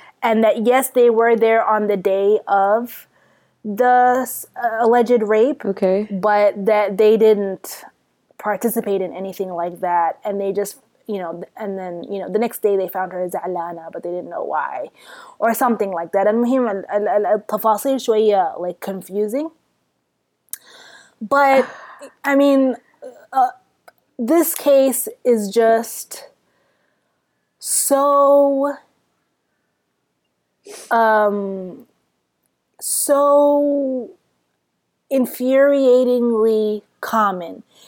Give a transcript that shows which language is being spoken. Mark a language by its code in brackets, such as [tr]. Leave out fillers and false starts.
[en] And that, yes, they were there on the day of the alleged rape. Okay. But that they didn't participate in anything like that. And they just, you know, and then, you know, the next day they found her za'lana, but they didn't know why. Or something like that. [ar] المهم التفاصيل شوية [en] like confusing. But I mean, this case is just so so infuriatingly common.